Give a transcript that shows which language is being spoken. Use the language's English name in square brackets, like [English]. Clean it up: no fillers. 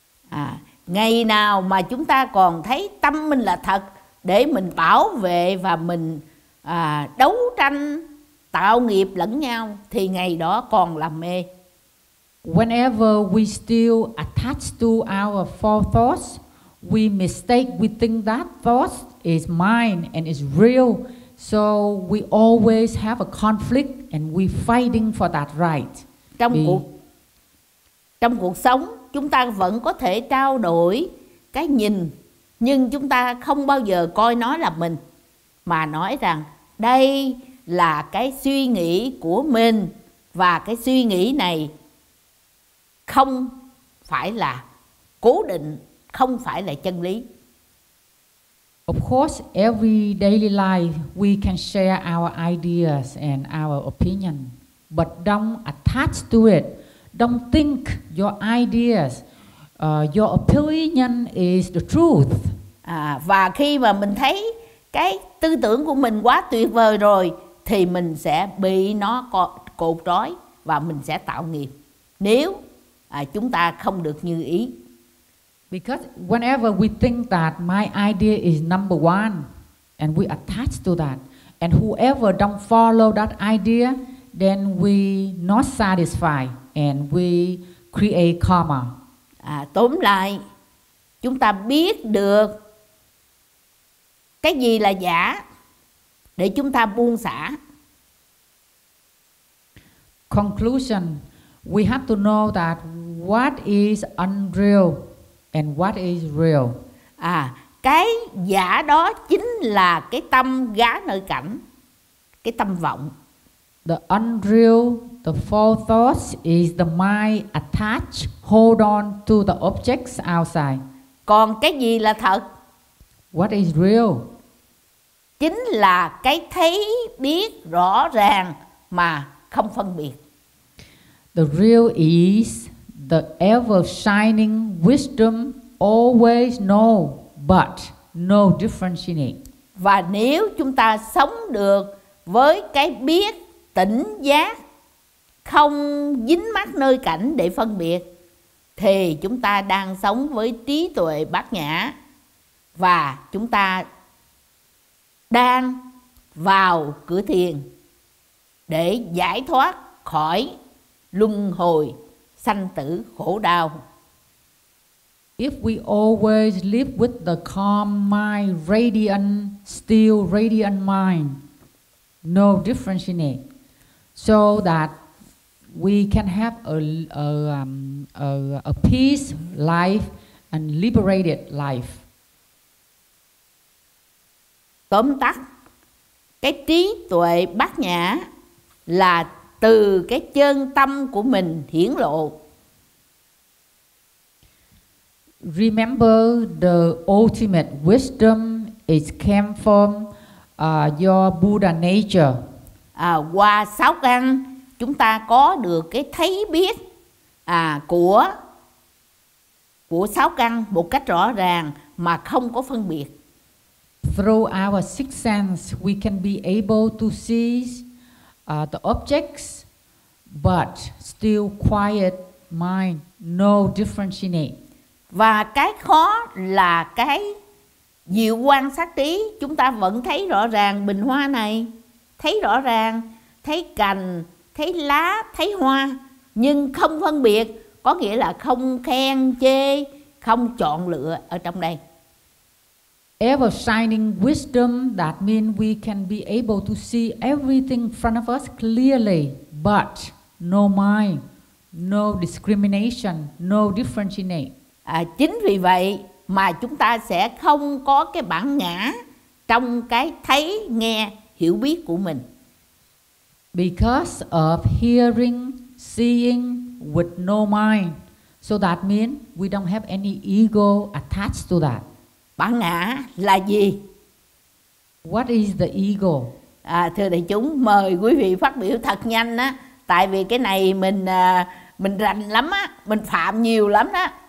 [Vietnamese] À, ngày nào mà chúng ta còn thấy tâm mình là thật để mình bảo vệ và mình đấu tranh tạo nghiệp lẫn nhau, thì ngày đó còn là mê. [English] Whenever we still attach to our false thoughts, we mistake, we think that thought is mine and is real. So we always have a conflict and we fighting for that right. [Vietnamese] Trong cuộc sống chúng ta vẫn có thể trao đổi cái nhìn, nhưng chúng ta không bao giờ coi nó là mình, mà nói rằng đây là cái suy nghĩ của mình và cái suy nghĩ này không phải là cố định, không phải là chân lý. [English] Of course, every daily life we can share our ideas and our opinion, but don't attach to it. Don't think your ideas, your opinion is the truth. [Vietnamese] À, và khi mà mình thấy cái tư tưởng của mình quá tuyệt vời rồi, thì mình sẽ bị nó cột rối và mình sẽ tạo nghiệp nếu chúng ta không được như ý. [English] Because whenever we think that my idea is number one and we attach to that, and whoever don't follow that idea, then we not satisfied and we create karma. [Vietnamese] Tóm lại, chúng ta biết được cái gì là giả để chúng ta buông xả. [English] Conclusion, we have to know that what is unreal and what is real. [Vietnamese] Cái giả đó chính là cái tâm gá nơi cảnh, cái tâm vọng. [English] The unreal, the false thoughts is the mind attached, hold on to the objects outside. [Vietnamese] Còn cái gì là thật? [English] What is real? [Vietnamese] Chính là cái thấy biết rõ ràng mà không phân biệt. [English] The real is the ever shining wisdom, always know but no differentiating. [Vietnamese] Và nếu chúng ta sống được với cái biết tỉnh giác, không dính mắc nơi cảnh để phân biệt, thì chúng ta đang sống với trí tuệ bát nhã và chúng ta đang vào cửa thiền để giải thoát khỏi luân hồi sanh tử khổ đau. [English] If we always live with the calm mind, radiant, still radiant mind, no differentiating, so that we can have a peace life and liberated life. [Vietnamese] Tóm tắt, cái trí tuệ bát nhã là từ cái chân tâm của mình hiển lộ. [English] Remember, the ultimate wisdom is came from your Buddha nature. [Vietnamese] Qua sáu căn chúng ta có được cái thấy biết của sáu căn một cách rõ ràng mà không có phân biệt. [English] Through our sixth sense, we can be able to see the objects, but still quiet mind, no differentiating. [Vietnamese] Và cái khó là cái diệu quan sát trí, chúng ta vẫn thấy rõ ràng bình hoa này, thấy rõ ràng, thấy cành, thấy lá, thấy hoa, nhưng không phân biệt, có nghĩa là không khen chê, không chọn lựa ở trong đây. [English] Ever shining wisdom, that means we can be able to see everything in front of us clearly, but no mind, no discrimination, no differentiating. [Vietnamese] Chính vì vậy mà chúng ta sẽ không có cái bản ngã trong cái thấy, nghe, hiểu biết của mình. [English] Because of hearing, seeing with no mind, so that means we don't have any ego attached to that. [Vietnamese] Bản ngã là gì? [English] What is the ego? [Vietnamese] Thưa đại chúng, mời quý vị phát biểu thật nhanh á, tại vì cái này mình rành lắm á, mình phạm nhiều lắm á.